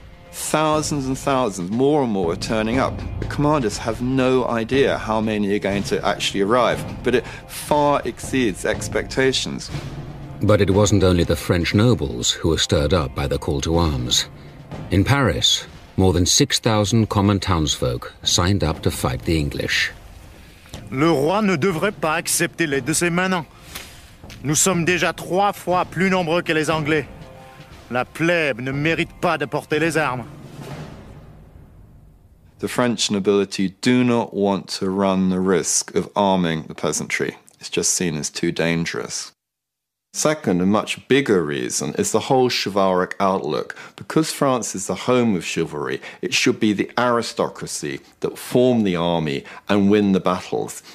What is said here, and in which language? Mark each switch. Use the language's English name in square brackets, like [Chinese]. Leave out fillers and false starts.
[English] Thousands and thousands, more and more, are turning up. The commanders have no idea how many are going to actually arrive, but it far exceeds expectations. But it wasn't only the French nobles who were stirred up by the call to arms. In Paris, more than 6,000 common townsfolk signed up to fight the English. [French] Le roi ne devrait pas accepter l'aide de ses manants. Nous sommes déjà 3 fois plus nombreux que les Anglais. La plèbe ne mérite pas de porter les armes. [English] The French nobility do not want to run the risk of arming the peasantry. It's just seen as too dangerous. Second, and much bigger reason, is the whole chivalric outlook. Because France is the home of chivalry, it should be the aristocracy that form the army and win the battles.